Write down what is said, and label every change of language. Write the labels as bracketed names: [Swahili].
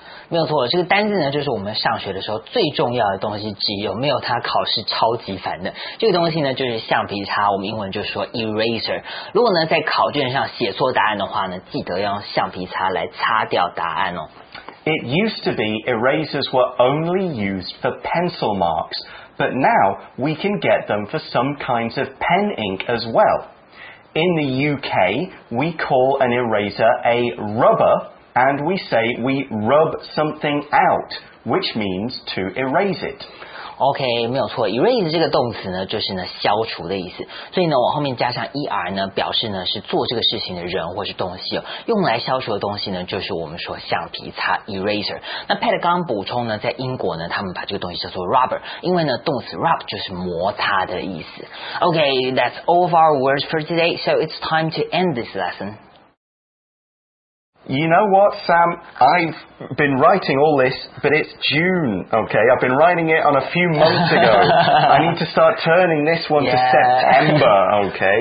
[Chinese] 没有错，这个单字呢，就是我们上学的时候最重要的东西之一，没有它考试超级烦的。这个东西呢，就是橡皮擦，我们英文就说 eraser。如果呢在考卷上写错答案的话呢，记得要用橡皮擦来擦掉答案哦。 [English] It used to be erasers were only used for pencil marks, but now we can get them for some kinds of pen ink as well. In the UK, we call an eraser a rubber, and we say we rub something out, which means to erase it. [Chinese] OK, 没有错 ,erase 这个动词呢就是呢消除的意思。所以呢往后面加上 ER 呢表示呢是做这个事情的人或是东西、哦。用来消除的东西呢就是我们说橡皮擦 ,eraser。那 Pat 刚刚补充呢在英国呢他们把这个东西叫做 rubber, 因为呢动词 rub 就是摩擦的意思。 [English] OK, that's all of our words for today, so it's time to end this lesson. You know what, Sam? I've been writing all this, but it's June, okay? I've been writing it on a few months ago. I need to start turning this one、 yeah. to September, okay?